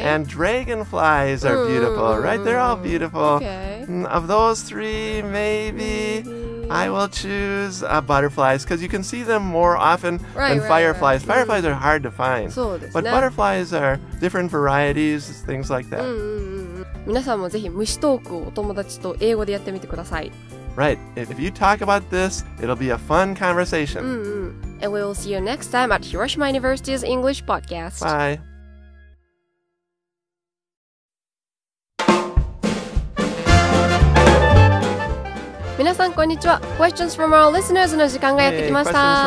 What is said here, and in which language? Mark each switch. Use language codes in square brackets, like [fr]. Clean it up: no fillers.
[en] And dragonflies are beautiful, right? They're all beautiful. Okay. Of those three, maybe. I will choose butterflies because you can see them more often than fireflies. Right. Fireflies are hard to find. [ja] そうですね。 [en] But butterflies are different varieties, things like that. [ja] 皆さんもぜひ虫トークをお友達と英語でやってみてください。 [en] Right. If you talk about this, it'll be a fun conversation. And we'll see you next time at Hiroshima University's English Podcast. Bye. [ja] みなさんこんにちは。 [en] Questions from our listeners [ja] の時間がやってきました。